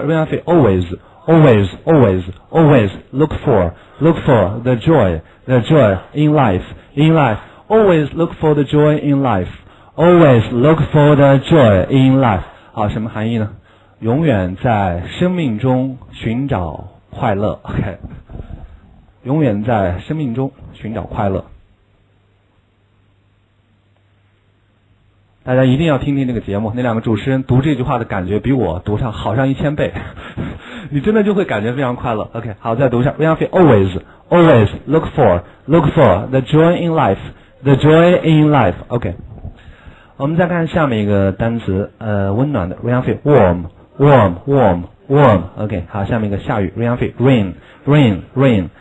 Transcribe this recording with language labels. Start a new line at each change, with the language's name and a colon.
English: We have always, always, always, always look for the joy in life, in life. Always look for the joy in life. Always look for the joy in life.
Chinese: 好，什么含义呢？永远在生命中寻找快乐 ，OK。永远在生命中寻找快乐，大家一定要听听那个节目，那两个主持人读这句话的感觉比我读上好上一千倍，你真的就会感觉非常快乐。
English: OK，
Chinese: 好，再读一下
English: ，We have always, always look for the joy in life, the joy in life.
Chinese: OK， 我们再看下面一个单词，温暖的 ，
English: We have warm, warm, warm, warm. OK，
Chinese: 好，下面一个下雨
English: ，We have rain, rain, rain.